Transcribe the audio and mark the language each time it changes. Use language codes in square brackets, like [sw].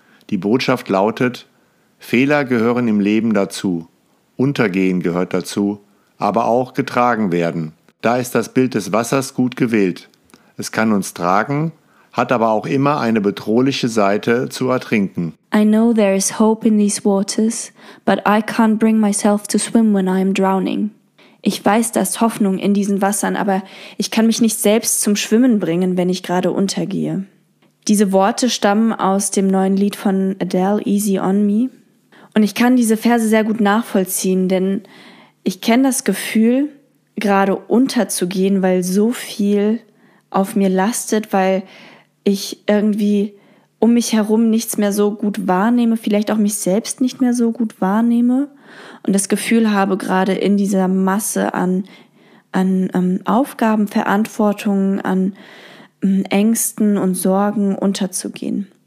[de] Die Botschaft lautet: Fehler gehören im Leben dazu. Untergehen gehört dazu. Aber auch getragen werden. Da ist das Bild des Wassers gut gewählt. Es kann uns tragen, hat aber auch immer eine bedrohliche Seite zu ertrinken. [en] I know there is hope in these waters, but I can't bring myself to swim when I am drowning. [de] Ich weiß, da ist Hoffnung in diesen Wassern, aber ich kann mich nicht selbst zum Schwimmen bringen, wenn ich gerade untergehe. Diese Worte stammen aus dem neuen Lied von Adele, Easy on Me. Und ich kann diese Verse sehr gut nachvollziehen, denn ich kenne das Gefühl, gerade unterzugehen, weil so viel auf mir lastet, weil ich irgendwie um mich herum nichts mehr so gut wahrnehme, vielleicht auch mich selbst nicht mehr so gut wahrnehme und das Gefühl habe, gerade in dieser Masse an Aufgaben, Verantwortungen, an Ängsten und Sorgen unterzugehen.